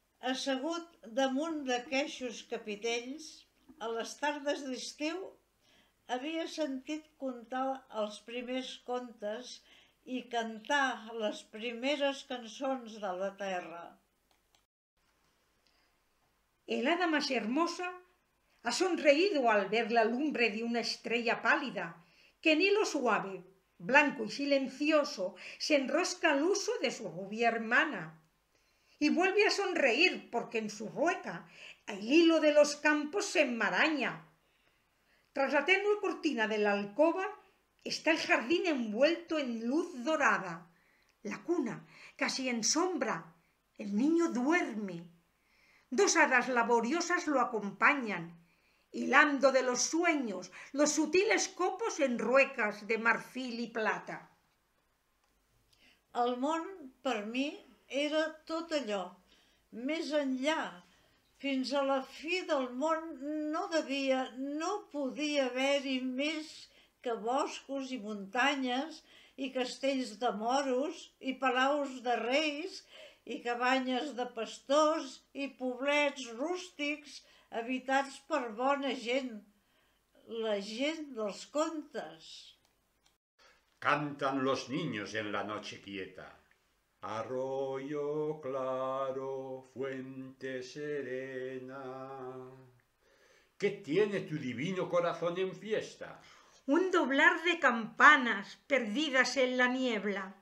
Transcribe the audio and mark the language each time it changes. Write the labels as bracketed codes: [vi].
[ca] Assegut damunt d'aqueixos capitells, a les tardes d'estiu havia sentit contar els primers contes i cantar les primeres cançons de la terra. [es] El hada más hermosa ha sonreído al ver la lumbre de una estrella pálida, que en hilo suave, blanco y silencioso, se enrosca al huso de su rubia hermana. Y vuelve a sonreír porque en su rueca el hilo de los campos se enmaraña. Tras la tenue cortina de la alcoba está el jardín envuelto en luz dorada. La cuna, casi en sombra, el niño duerme. Dos hadas laboriosas lo acompañan, hilando de los sueños los sutiles copos en ruecas de marfil y plata. [ca] El món, per mi, era tot allò, més enllà. Fins a la fi del món no devia, no podia haver-hi més que boscos i muntanyes i castells de moros i palaus de reis i cabanyes de pastors i poblets rústics habitats per bona gent, la gent dels contes. [es] Cantan los niños en la noche quieta. Arroyo claro, fuente serena. ¿Qué tiene tu divino corazón en fiesta? Un doblar de campanas perdidas en la niebla.